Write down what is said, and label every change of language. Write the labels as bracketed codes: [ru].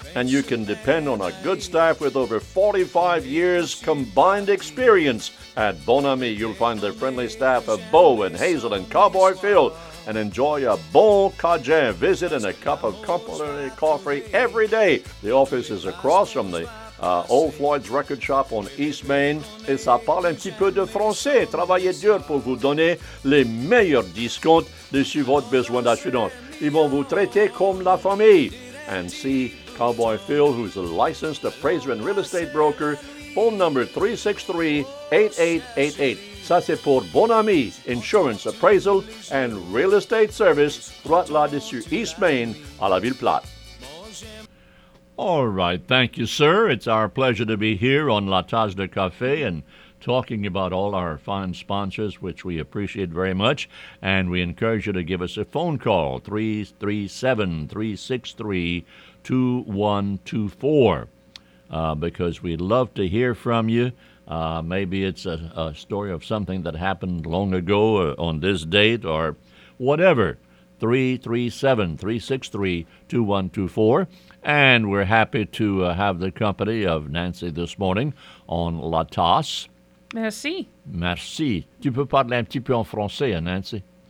[en] And you can depend on a good staff with over 45 years combined experience at Bon Ami. You'll find the friendly staff of Bo and Hazel and Cowboy Phil. And enjoy a bon cajun visit and a cup of complimentary coffee every day. The office is across from the Old Floyd's Record Shop on East Main. [fr] Et ça parle un petit peu de français. Travaillez dur pour vous donner les meilleurs discounts dessus votre besoin d'assurance. Ils vont vous traiter comme la famille. [en] And see Cowboy Phil, who's a licensed appraiser and real estate broker. Phone number 363-8888. [fr] Ça, c'est pour Bon Ami Insurance Appraisal and Real Estate Service, right là-dessus East Main, à la Ville Platte. [en] All right. Thank you, sir. It's our pleasure to be here on La Tasse de Café and talking about all our fine sponsors, which we appreciate very much. And we encourage you to give us a phone call, 337-363-2124. Because we'd love to hear from you. Maybe it's a story of something that happened long ago on this date or whatever. 337-363-2124. And we're happy to have the company of Nancy this morning on La Tasse. [fr] Merci. Merci. Tu peux parler un petit peu en français, hein, Nancy?